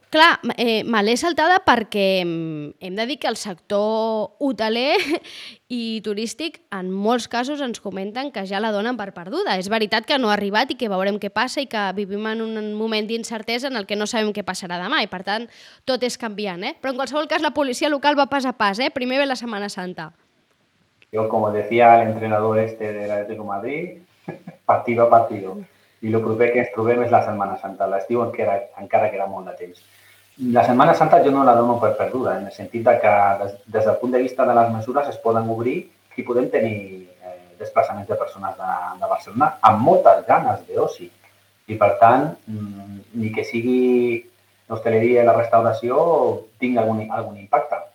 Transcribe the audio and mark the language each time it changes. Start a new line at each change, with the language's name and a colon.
Catalan: Clar, me l'he saltada perquè hem de dir que el sector hoteler i turístic en molts casos ens comenten que ja la donen per perduda. És veritat que no ha arribat i que veurem què passa i que vivim en un moment d'incertesa en el que no sabem què passarà demà i, per tant, tot és canviant, Però en qualsevol cas la policia local va pas a pas, Primer ve la Setmana Santa.
Spanish: Yo, como decía el entrenador este del Atlético de Madrid, partido a partido.
Catalan: Y lo proper que ens trobem és la Setmana Santa. L'estiu encara queda molt de temps. La Setmana Santa jo no la dono per perduda, en el sentit que des del punt de vista de les mesures es poden obrir i podem tenir desplaçaments de persones de Barcelona amb moltes ganes d'oci. I, per tant, ni que sigui l'hostaleria i la restauració, tingui algun impacte.